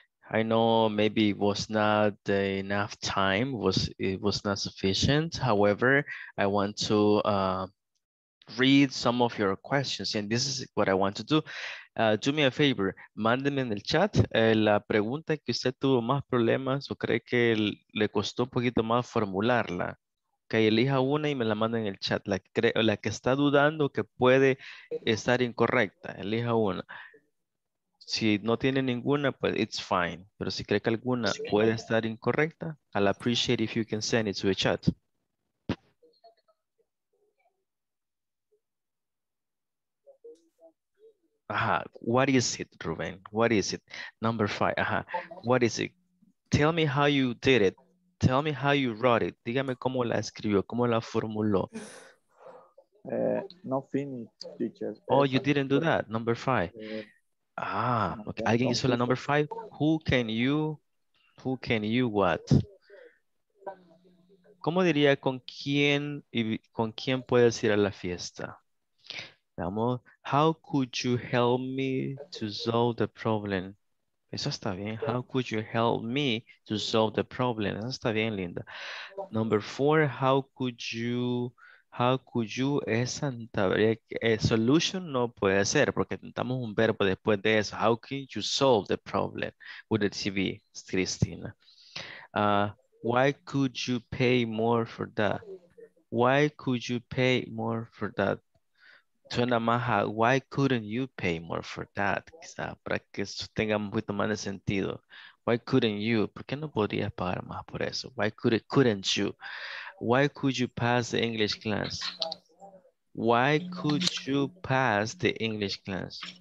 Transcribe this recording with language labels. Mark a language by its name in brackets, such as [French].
[English] I know maybe it was not enough time, it was not sufficient. However, I want to read some of your questions, and this is what I want to do. Do me a favor, [Spanish] mándenme en el chat la pregunta que usted tuvo más problemas o cree que le costó un poquito más formularla. Que elija una y me la manda en el chat, la que está dudando que puede estar incorrecta, elija una. Si no tiene ninguna, pues [English] it's fine. [Spanish] Pero si cree que alguna puede estar incorrecta, [English] I'll appreciate if you can send it to the chat. Ajá, what is it, Ruben? What is it? Number five, ajá, what is it? Tell me how you did it. Tell me how you wrote it. [Spanish] Dígame cómo la escribió, cómo la formuló. [English] No finished, teacher. Oh, you didn't do that. Number five. Okay. [Spanish] Alguien hizo la [English] number five. Who can you Who can you what? [Spanish] ¿Cómo diría con quién puedes ir a la fiesta? [English] Vamos, how could you help me to solve the problem? [Spanish] Eso está bien. [English] How could you help me to solve the problem? [Spanish] Eso está bien, linda. [English] Number four, how could you, [Spanish] esa tabla, solution no puede ser, porque intentamos un verbo después de eso. [English] How can you solve the problem? Would it be, Cristina? Why could you pay more for that? Why could you pay more for that? [Spanish] Suena más a, [English] why couldn't you pay more for that? [Spanish] Quizá para que eso tenga un poquito más de sentido. [English] Why couldn't you? [Spanish] ¿Por qué no podrías pagar más por eso? [English] Why couldn't you? Why could you pass the English class? Why could you pass the English class?